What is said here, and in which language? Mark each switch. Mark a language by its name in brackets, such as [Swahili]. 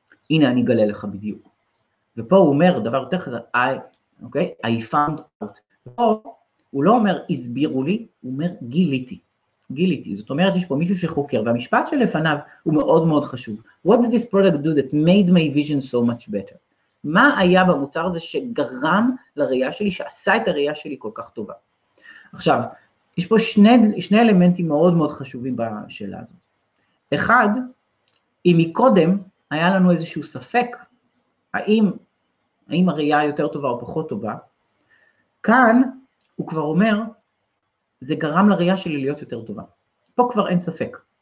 [Hebrew] הנה אני אגלה לך בדיוק. ופה הוא אומר דבר יותר חזק, [English] I found out. [Hebrew] הוא לא אומר, הסבירו לי, הוא אומר, גיליתי. גיליתי. זאת אומרת, יש פה מישהו שחוקר, והמשפט שלפניו הוא מאוד מאוד חשוב. [English] What did this product do that made my vision so much better? [Hebrew] מה היה במוצר הזה שגרם לראייה שלי, שעשה את הראייה שלי כל כך טובה? עכשיו, יש פה שני אלמנטים מאוד מאוד חשובים בשאלה הזאת. אחד, אם מקודם היה לנו איזשהו ספק, האם הראייה יותר טובה או פחות טובה, כאן הוא כבר אומר, זה גרם לראייה שלי להיות יותר טובה. פה כבר אין ספק.